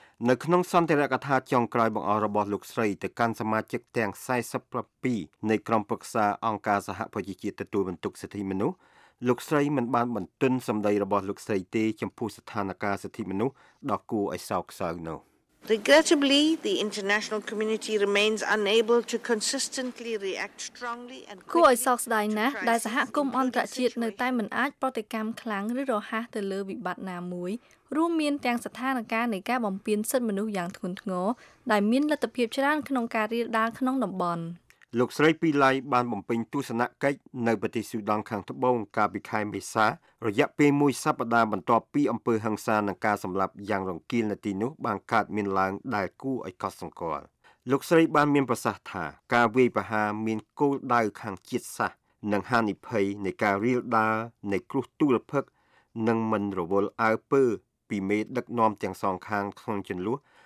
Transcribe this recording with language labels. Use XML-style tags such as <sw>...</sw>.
<km>នៅក្នុងសន្ទរកថាចុងក្រោយបង្អស់របស់លោកស្រីទៅកាន់សមាជិកទាំង47នៃក្រុមប្រឹក្សាអង្គការសហប្រជាជាតិទទួលបន្ទុកសិទ្ធិមនុស្សលោកស្រីមិនបានបន្ទន់សម្ដីរបស់លោកស្រីទេចំពោះស្ថានភាពសិទ្ធិមនុស្សដ៏គួរឲ្យសោកសៅនោះ</km> <en>Regrettably the international community remains unable to consistently react strongly and</en> <km>គួរឲ្យសោកស្ដាយណាស់ដែលសហគមន៍អន្តរជាតិនៅតែមិនអាចប្រតិកម្មខ្លាំងឬរហ័សទៅលើវិបត្តិណាមួយរួមមានទាំងស្ថានភាពនៃការបំពានសិទ្ធិមនុស្សយ៉ាងធ្ងន់ធ្ងរដែលមានលទ្ធភាពច្រើនក្នុងការរីករាលដាលក្នុងតំបន់ លោកស្រីពីឡៃបានបំពេញទស្សនកិច្ចនៅប្រទេសស៊ូដង់ខាងត្បូងកាលពីខែមេសារយៈពេលមួយសប្តាហ៍បន្ទាប់ពីអំពើហិង្សានិងការសម្លាប់យ៉ាងរង្គាលនៅទីនោះបានកើតមានឡើងដែលគួរឲ្យកត់សម្គាល់លោកស្រីបានមានប្រសាសន៍ថាការវាយប្រហារមានគោលដៅខាងជាតិសាសន៍និងហានិភ័យនៃការរីលដានៃគ្រោះទុរភិក្សនិងមិនរវល់អើពើពីមេដឹកនាំទាំងសងខាងក្នុងចំនួន</km>